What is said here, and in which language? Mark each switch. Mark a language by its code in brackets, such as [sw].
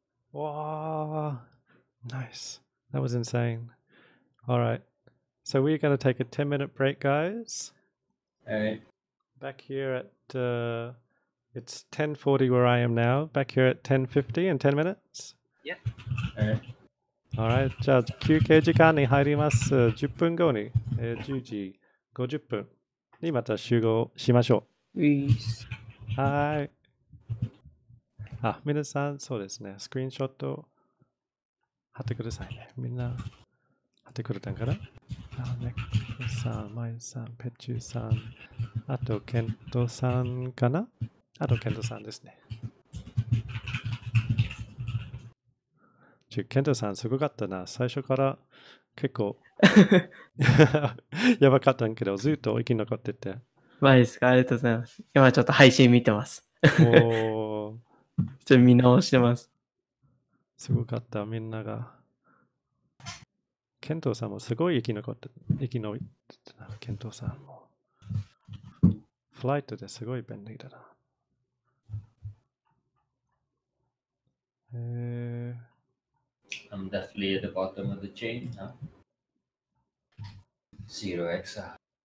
[en] Wow. Nice. That was insane. All right. So we're going to take a 10-minute break, guys. All right. Back here at, it's 10:40 where I am now. Back here at 10:50 in 10 minutes. Yeah. All right. All right. [ja] じゃあ、休憩時間に入ります。10分後に、10時50分にまた集合しましょう。ウィース。はい。あ、皆さん、そうですね。スクリーンショット。貼ってくださいね。みんな貼ってくれたんかな。アーネコさん、マイさん、ペチューさん、あとケントさんかな。あとケントさんですね。ちょ、ケントさんすごかったな。最初から結構やばかったんけど、ずっと生き残ってて。マイですか。ありがとうございます。今ちょっと配信見てます。おお。ちょっと見直してます。すごかった、みんなが。ケントさんもすごい生き延びてた。ケントさんも。フライトですごい便利だな。 [en] I'm definitely at the bottom of the chain now. Zero XR.